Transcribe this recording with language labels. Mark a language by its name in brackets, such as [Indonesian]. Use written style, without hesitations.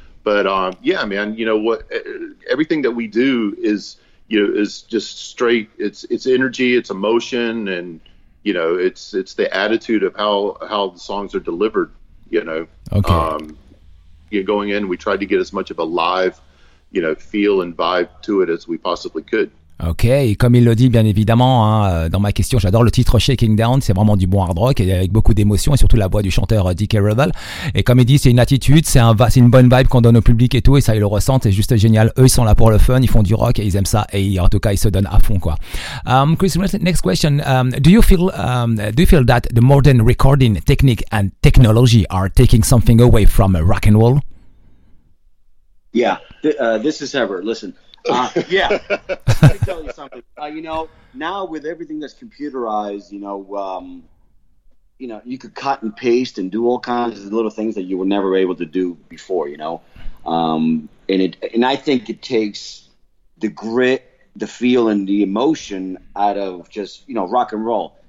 [English] But everything that we do is is just straight. It's energy, it's emotion, and you know, it's the attitude of how the songs are delivered. You know, okay. Going in, we tried to get as much of a live, feel and vibe to it as we possibly could. [French] Ok, et comme il le dit, bien évidemment, hein, dans ma question, j'adore le titre Shaking Down, c'est vraiment du bon hard rock, et avec beaucoup d'émotion, et surtout la voix du chanteur DK Revel. Et comme il dit, c'est une attitude, c'est une bonne vibe qu'on donne au public et tout, et ça, ils le ressentent, c'est juste génial. Eux, ils sont là pour le fun, ils font du rock, et ils aiment ça, et en tout cas, ils se donnent à fond, quoi. [English] Chris, next question. Do you feel that the modern recording technique and technology are taking something away from rock and roll? Yeah, this is Herbert. Listen. Let me tell you something. Now with everything that's computerized, you could cut and paste and do all kinds of little things that you were never able to do before, and I think it takes the grit, the feel, and the emotion out of just, rock and roll.